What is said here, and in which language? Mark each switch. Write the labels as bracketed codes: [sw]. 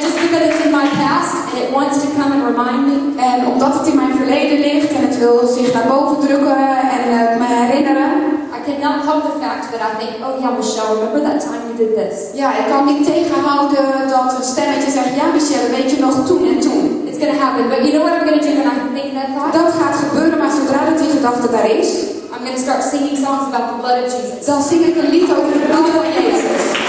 [en] Just because it's in my past and it wants to come and remind me. [nl] En omdat het in mijn verleden ligt en het wil zich naar boven drukken en me herinneren. [en] I cannot help the fact that I think, oh yeah, Michelle, remember that time you did this? [nl] Ja, ik kan niet tegenhouden dat een stemmetje zegt, ja, Michelle, weet je nog toen en toen? [en] It's gonna happen, but you know what I'm gonna do when I think that thought? [nl] Dat gaat gebeuren, maar zodra dat die gedachte daar is, [en] I'm gonna start singing songs about the blood of Jesus. [nl] Dan zing ik een lied over het bloed van Jezus.